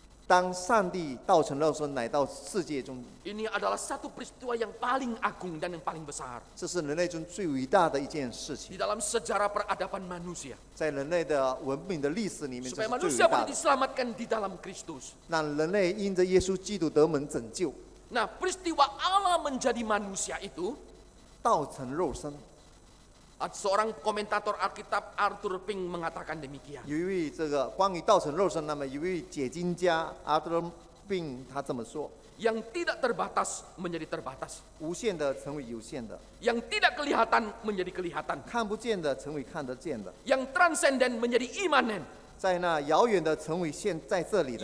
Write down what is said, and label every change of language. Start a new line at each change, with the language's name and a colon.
Chinese: 当上帝道成肉身来到世界中,
Indonesian: ini adalah satu peristiwa yang paling agung dan yang paling besar.
Chinese: 这是人类中最伟大的一件事情.
Indonesian: Di dalam sejarah peradaban manusia.
Chinese: 在人类的文明的历史里面,
Indonesian: supaya manusia boleh diselamatkan di dalam Kristus.
Chinese: 让人类因着耶稣基督得蒙拯救.
Indonesian: Nah, peristiwa Allah menjadi manusia itu.
Chinese: 道成肉身.
Indonesian: Seorang komentator Alkitab Arthur Pink mengatakan demikian.
Chinese: 有一位这个关于道成肉身，那么有一位解经家 Arthur Pink，他这么说。
Indonesian: Yang tidak terbatas menjadi terbatas.
Chinese: 无限的成为有限的。
Indonesian: Yang tidak kelihatan menjadi kelihatan.
Chinese: 看不见的成为看得见的。
Indonesian: Yang transenden menjadi imanen.
Chinese: 在那遥远的成为现在这里的。